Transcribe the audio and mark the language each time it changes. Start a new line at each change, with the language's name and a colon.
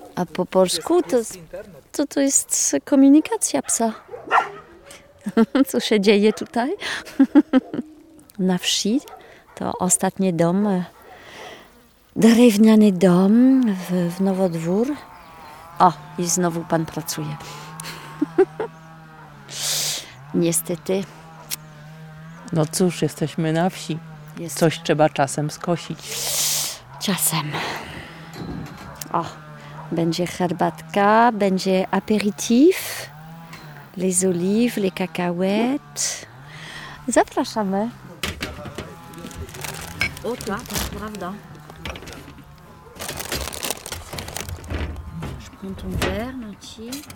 French: A propos du scout, tout est communication, c'est ça.
Polish: Co się dzieje tutaj? Na wsi to ostatni dom, drewniany dom w Nowodwór. O, i znowu pan pracuje. Niestety. No cóż, jesteśmy na wsi. Jest. Coś trzeba czasem skosić. Czasem. O, będzie herbatka, będzie aperitif.
French: Les olives, les cacahuètes.
Polish: Zapraszamy. O, ta, to jest prawda.
French: Je prends ton verre, mon petit.